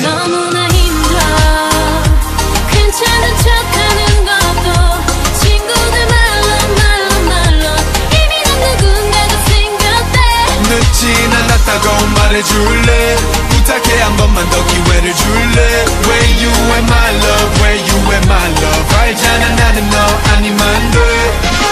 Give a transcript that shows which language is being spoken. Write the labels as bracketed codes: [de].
[ko] 너무나 힘들어. 괜찮은 척하는 것도 친구들 말로 말로 말로 이미 난 누군가가 생겼대. 늦진 않았다고 말해줄래. 부탁해 한 번만 더 기회를 줄래. [en] Where you at my love, where you at my love. [ko] 알잖아 나는 너 아니면 돼.